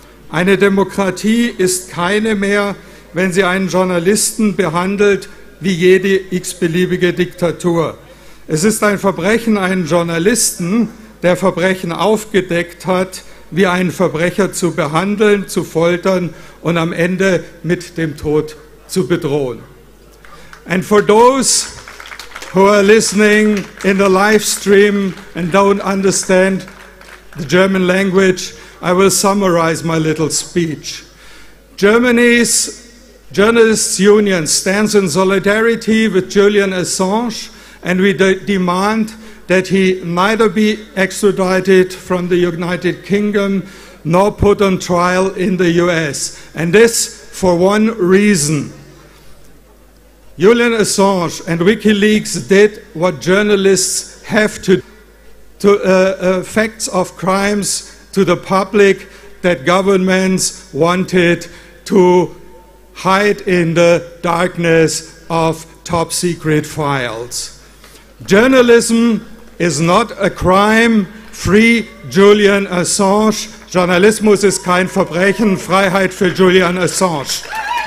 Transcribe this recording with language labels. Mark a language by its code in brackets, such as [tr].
[de] Eine Demokratie ist keine mehr, wenn sie einen Journalisten behandelt wie jede x-beliebige Diktatur. Es ist ein Verbrechen, einen Journalisten, der Verbrechen aufgedeckt hat, wie einen Verbrecher zu behandeln, zu foltern und am Ende mit dem Tod zu bedrohen. [en] And for those who are listening in the live stream and don't understand the German language, I will summarize my little speech. Germany's Journalists Union stands in solidarity with Julian Assange and we demand that he neither be extradited from the United Kingdom nor put on trial in the US. And this for one reason. Julian Assange and WikiLeaks did what journalists have to do, to facts of crimes to the public that governments wanted to hide in the darkness of top secret files. Journalism is not a crime. Free Julian Assange. [de] Journalismus ist kein Verbrechen. Freiheit für Julian Assange.